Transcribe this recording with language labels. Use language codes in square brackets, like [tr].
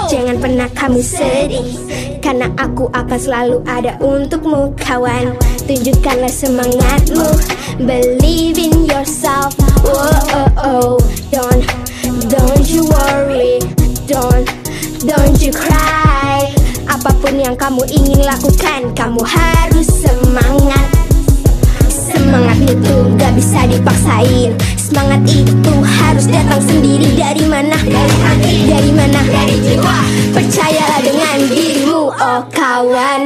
[id] Jangan pernah kamu sedih, karena aku akan selalu ada untukmu kawan. Tunjukkanlah semangatmu, [en] believe in yourself. Oh oh oh, don't you worry, don't you cry. [id] Apapun yang kamu ingin lakukan, kamu harus semangat. Semangat itu gak bisa dipaksain. Semangat itu harus datang sendiri. Dari mana? Dari hati. Dari mana? Dari jiwa. Percayalah dengan dirimu, oh kawan.